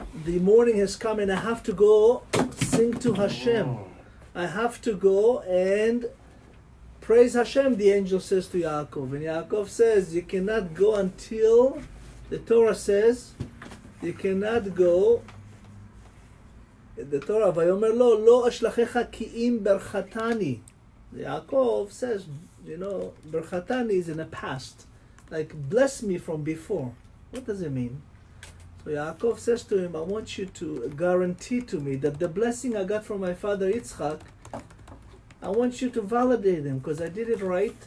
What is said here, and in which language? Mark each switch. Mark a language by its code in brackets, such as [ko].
[en] The morning has come and I have to go sing to Hashem. I have to go and praise Hashem, the angel says to Yaakov. And Yaakov says, you cannot go until, the Torah says, you cannot go. [he] The Torah, ויאמר לו, לא אשלחך כי אם ברכתני. [en] Yaakov says, you know, ברכתני is in the past. Like, bless me from before. What does it mean? So Yaakov says to him, I want you to guarantee to me that the blessing I got from my father Yitzchak, I want you to validate him, because I did it right.